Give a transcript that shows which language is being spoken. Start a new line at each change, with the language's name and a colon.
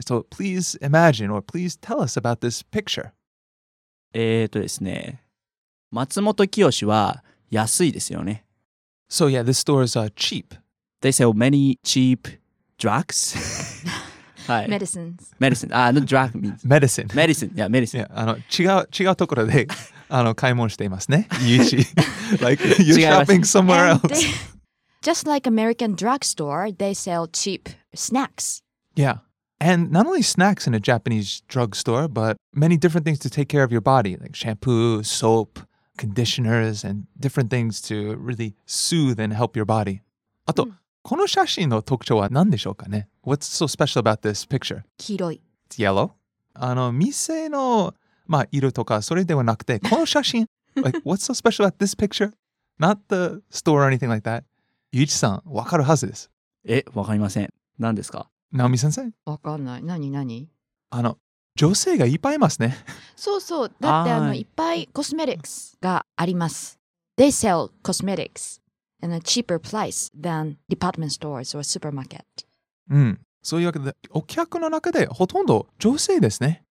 English: So, please imagine or please tell us about this picture.
Japanese: ですね。松本清は安いですよね。
English: So, yeah, this store is cheap. They sell many cheap drugs. Medicines. Medicine. Ah, not drug means. Medicine. Medicine. Yeah, medicine.
Japanese: Yeah, 違うところで。買い物していますね。ユイチ。
English: Like, you're shopping somewhere else. They, just like American drugstore, they sell cheap snacks. Yeah. And not only snacks in a Japanese drugstore, but many different things to take care of your body, like shampoo, soap, conditioners, and different things to really soothe and help your body.
Japanese: あと、この写真の特徴は何でしょうかね?
English: What's so special about this picture?
Japanese: 黄色い。
English: It's yellow.
Japanese: 店の色とかそれではなくて、この写真、
English: like, what's so special about this picture? Not the store or anything like that.
Japanese: ユイチさん、わかるはずです。わかりません。何ですか？ナオミ先生？わかんない。何？女性がいっぱいいますね。そうそう。だって、いっぱいコスメティックスがあります。
English: They sell cosmetics in a cheaper price than department stores or supermarket.
Japanese: うん。そういうわけで、お客の中でほとんど女性ですね。